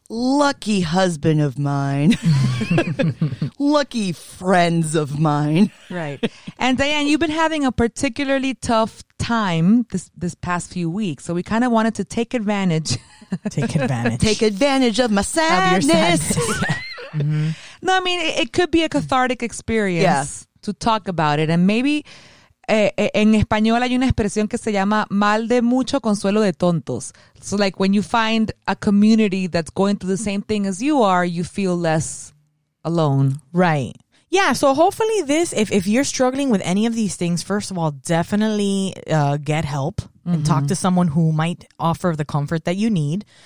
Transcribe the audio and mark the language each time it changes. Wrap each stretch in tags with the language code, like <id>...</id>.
<en>Lucky husband of mine. Lucky friends of mine. Right. And Diane, you've been having a particularly tough time this past few weeks. So we kind of wanted to take advantage. Take advantage. Take advantage of my sadness. Of your sadness. Mm-hmm. No, I mean, it could be a cathartic experience. Yes. To talk about it. And maybe</en> <es>en español hay una expresión que se llama mal de mucho, consuelo de tontos.</es> <en>So like when you find a community that's going through the same thing as you are, you feel less alone. Right. Yeah. So hopefully this, if you're struggling with any of these things, first of all, definitely get help and talk to someone who might offer the comfort that you need.</en>